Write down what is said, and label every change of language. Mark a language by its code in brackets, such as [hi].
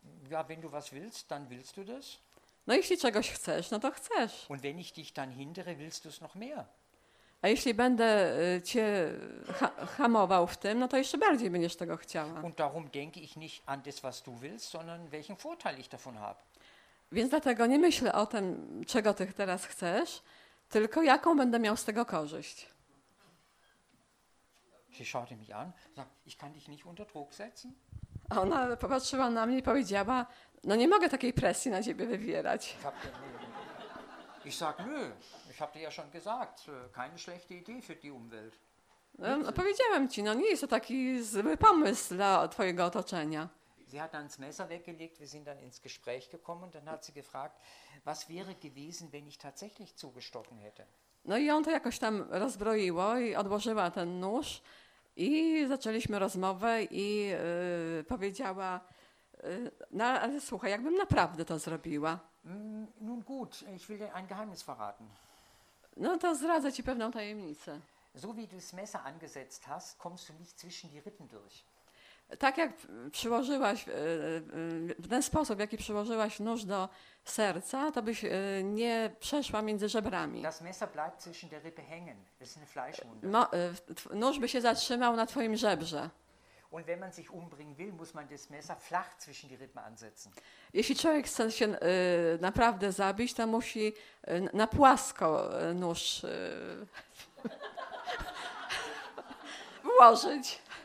[de] Ja, wenn du was willst, dann willst du das. [pl] No jeśli czegoś chcesz, no to chcesz. [de] Und wenn ich dich dann hindere, willst du es noch mehr. [pl] A jeśli będę cię hamował w tym, no to jeszcze bardziej będziesz tego chciała. [de] Und darum denke ich nicht an das, was du willst, sondern welchen Vorteil ich davon habe. [pl] Więc dlatego nie myślę o tym, czego ty teraz chcesz, tylko jaką będę miał z tego korzyść. [de] Sie schaute mich an, ich kann dich nicht unter Druck setzen. [pl] A ona popatrzyła na mnie i powiedziała, no nie mogę takiej presji na ciebie wywierać. [de] Ich sag nö, ich hab dir ja schon gesagt, keine schlechte Idee für die Umwelt. [pl] Powiedziałem ci, no nie jest to taki zły pomysł dla twojego otoczenia. [de] Sie hat dann das Messer weggelegt, wir sind dann ins Gespräch gekommen und dann hat sie gefragt, was wäre gewesen, wenn ich tatsächlich zugestochen hätte. [pl] No i on to jakoś tam rozbroiło i odłożyła ten nóż i zaczęliśmy rozmowę i powiedziała, no ale słuchaj, jakbym naprawdę to zrobiła. [de] Nun gut, ich will dir ein Geheimnis verraten. [pl] No to zdradzę ci pewną tajemnicę. [de] So wie du das Messer angesetzt hast, kommst du nicht zwischen die Rippen durch. [pl] Tak jak przyłożyłaś, w ten sposób, w jaki przyłożyłaś nóż do serca, to byś nie przeszła między żebrami. [de] Das Messer bleibt zwischen der Rippe hängen. Das ist eine Fleischwunde. [pl] Nóż by się zatrzymał na twoim żebrze. [de] Und wenn man sich umbringen will, muss man das Messer flach zwischen die Rippen ansetzen. [pl] Jeśli człowiek chce się naprawdę zabić, to musi na płasko nóż włożyć.